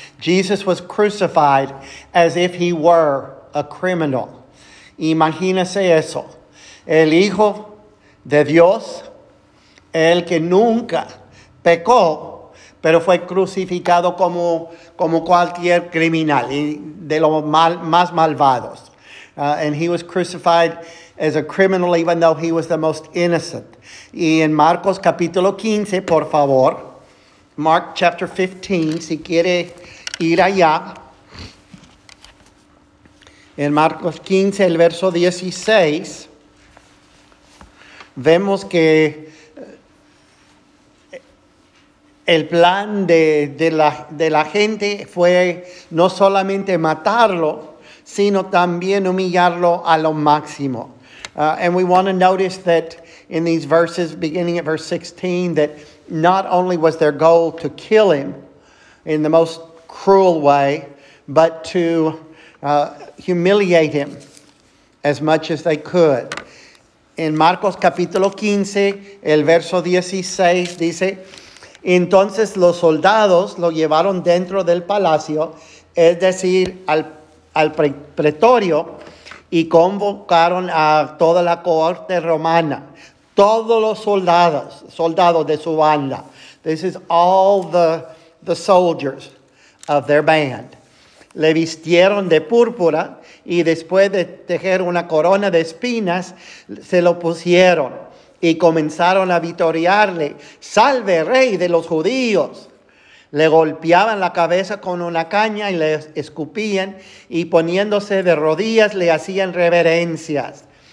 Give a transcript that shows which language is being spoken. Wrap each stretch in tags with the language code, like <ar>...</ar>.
<en>Jesus was crucified as if he were a criminal.</en> <es>Imagínese eso. El Hijo de Dios, el que nunca pecó, pero fue crucificado como cualquier criminal, de los más malvados.</es> <en>And he was crucified as a criminal even though he was the most innocent.</en> <es>Y en Marcos capítulo 15, por favor,</es> <en>Mark chapter 15,</en> <es>si quiere ir allá, en Marcos 15, el verso 16, vemos que el plan de la gente fue no solamente matarlo, sino también humillarlo a lo máximo.</es> <en>And we want to notice that in these verses, beginning at verse 16, that not only was their goal to kill him in the most cruel way, but to humiliate him as much as they could.</en> <es>En Marcos capítulo 15, el verso 16 dice, entonces los soldados lo llevaron dentro del palacio, es decir, al pretorio, y convocaron a toda la cohorte romana, todos los soldados de su banda.</es> <en>This is all the soldiers of their band.</en> <es>Le vistieron de púrpura y después de tejer una corona de espinas, se lo pusieron y comenzaron a vitorearle. ¡Salve, rey de los judíos! Le golpeaban la cabeza con una caña y le escupían y poniéndose de rodillas le hacían reverencias.</es>